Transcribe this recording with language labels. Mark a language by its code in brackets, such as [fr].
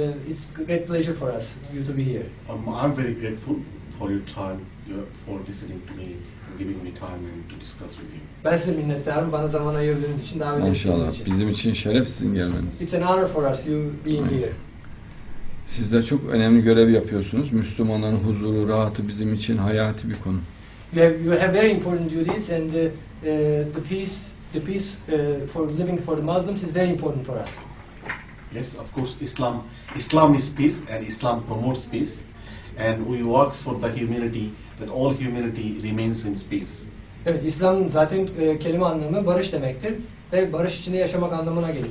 [en] It's a great pleasure for us, you to be here. I'm very grateful for your time, for listening to me, and giving me time and to discuss with you. [tr] Ben size minnettarım, bana zaman ayırdığınız için, davet ettiğiniz için. İnşallah, bizim için şeref sizin gelmeniz. [en] It's an honor for us, you being here. [tr] Siz de çok önemli görev yapıyorsunuz. Müslümanların huzuru, rahatı bizim için hayati bir konu. [en] You have very important duties and the peace for living for the Muslims is very important for us. Yes, of course, Islam is peace and Islam promotes peace and we work for the humanity that all humanity remains in peace. [tr] Evet, İslam zaten kelime anlamı barış demektir ve barış içinde yaşamak anlamına gelir.